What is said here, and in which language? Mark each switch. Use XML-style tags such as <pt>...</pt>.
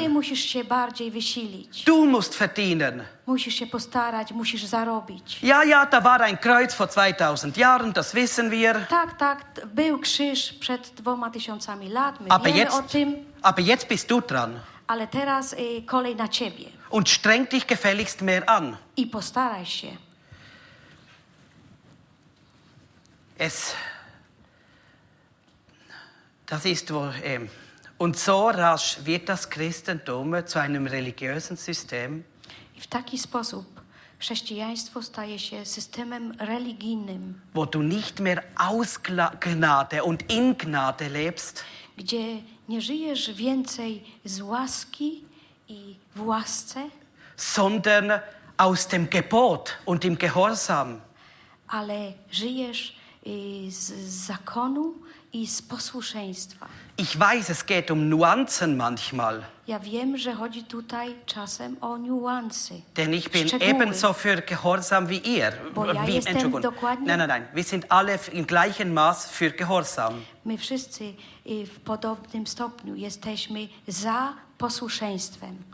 <pl>Ty musisz się bardziej wysilić.</pl> <de>Du musst verdienen.</de> <pl>Musisz się postarać, musisz zarobić.</pl> <de>Ja, da war ein Kreuz vor 2000 Jahren, das wissen wir.</de> <pl>Tak, był krzyż przed 2000 lat, my aber wiemy</pl> <de>jetzt,</de> <pl>o tym.</pl> <de>Aber jetzt bist du dran.</de> <pl>Ale teraz kolej na ciebie.</pl> <de>Und streng dich gefälligst mehr an.</de> <pl>I postaraj się.</pl> <de>Das ist wohl, und so rasch wird das Christentum zu einem religiösen System.</de> <pl>I w taki sposób chrześcijaństwo staje się systemem religijnym.</pl> <de>Wo du nicht mehr aus Gnade und in Gnade lebst.</de> <pl>Gdzie nie żyjesz więcej z łaski i w łasce.</pl> <de>Sondern aus dem Gebot und im Gehorsam.</de> <pl>Ale żyjesz z zakonu i z posłuszeństwa.</pl> <de>Ich weiß, es geht um Nuancen manchmal.</de> <pl>Ja wiem, że chodzi tutaj czasem o niuanse.</pl> <de>Denn ich bin ebenso für gehorsam wie ihr.</de> <pl>Bo ja wie, jestem dokładnie.</pl> <de>Nein. Wir sind alle im gleichen Maß für gehorsam.</de> <pl>My wszyscy w podobnym stopniu jesteśmy za posłuszeństwem.</pl>